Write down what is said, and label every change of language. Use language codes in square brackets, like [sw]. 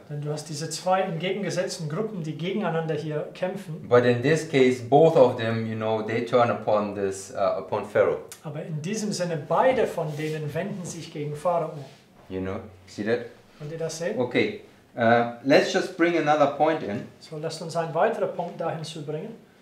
[de] Denn du hast diese zwei entgegengesetzten Gruppen, die gegeneinander hier kämpfen. [en] But in this case, both of them, you know, they turn upon this upon Pharaoh. [de] Aber in diesem Sinne, beide von denen wenden sich gegen Pharao. [en] You know, see that? [de] Könnt ihr das sehen? [en] Okay, let's just bring another point in. [de] So lasst uns einen weiteren Punkt dahin zu bringen.